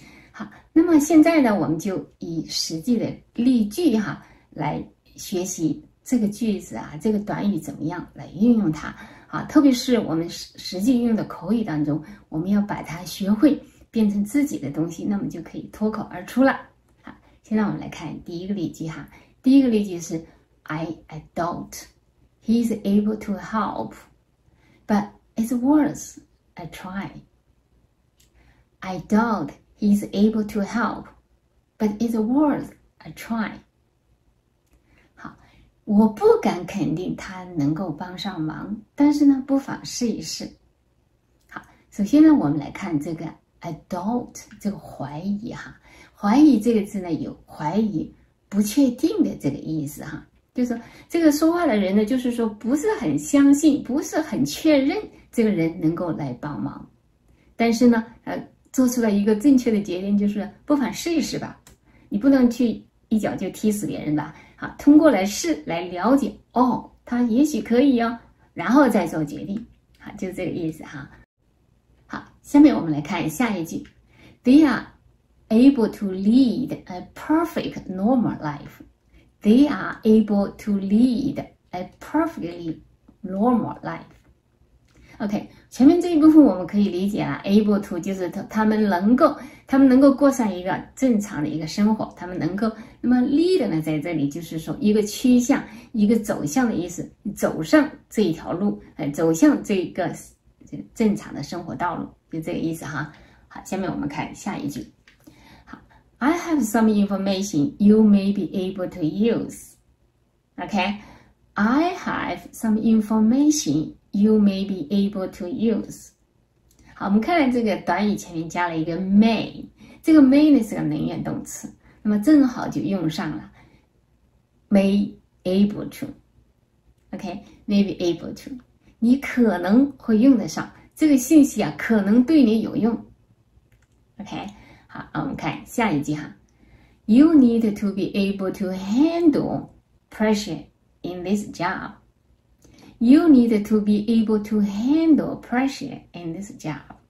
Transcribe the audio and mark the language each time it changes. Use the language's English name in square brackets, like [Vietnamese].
[Chinese] 好，那么现在呢，我们就以实际的例句哈来学习这个句子啊，这个短语怎么样来运用它啊？特别是我们实际运用的口语当中，我们要把它学会变成自己的东西，那么就可以脱口而出了。好，现在我们来看第一个例句哈。第一个例句是 [English] I don't. He is able to help, but it's worse. I try. I doubt he's able to help, but it's worth a try. [Chinese] 好，我不敢肯定他能够帮上忙，但是呢，不妨试一试。好，首先呢，我们来看这个 I doubt 这个怀疑哈，怀疑这个字呢有怀疑、不确定的这个意思哈，就是说这个说话的人呢，就是说不是很相信，不是很确认。这个人能够来帮忙，但是呢，做出了一个正确的决定，就是不妨试一试吧。你不能去一脚就踢死别人吧。好，通过来试来了解，哦，他也许可以哦，然后再做决定。 [English] 好，就这个意思哈。 [Chinese] 好，下面我们来看下一句 [English] ：They are able to lead a perfect normal life. They are able to lead a perfectly normal life. [Chinese] OK， 前面这一部分我们可以理解了 ，able to 就是他们能够过上一个正常的一个生活，他们能够。那么 lead 呢，在这里就是说一个趋向、一个走向的意思，走上这一条路，走向这个正常的生活道路，就这个意思哈。好，下面我们看下一句。好 [English] ，I have some information you may be able to use. OK，I have some information. You may be able to use。 [Chinese] 好，我们看来这个短语前面加了一个 may， 这个 may 呢是个能源动词，那么正好就用上了 may able to。 OK， [English] may be able to， [Chinese] 你可能会用得上这个信息啊，可能对你有用。 OK， 好，我们看下一句哈。 [English] You need to be able to handle pressure in this job. You need to be able to handle pressure in this job.